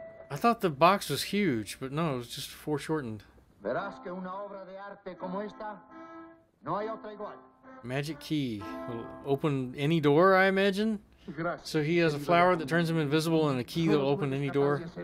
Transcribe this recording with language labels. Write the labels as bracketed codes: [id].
[en] I thought the box was huge, but no, it was just foreshortened. [es] Verás que una obra de arte como esta, no hay otra igual. [en] Magic key. Will open any door, I imagine? [es] Gracias. [en] So he has a flower that turns him invisible and a key that will open any door.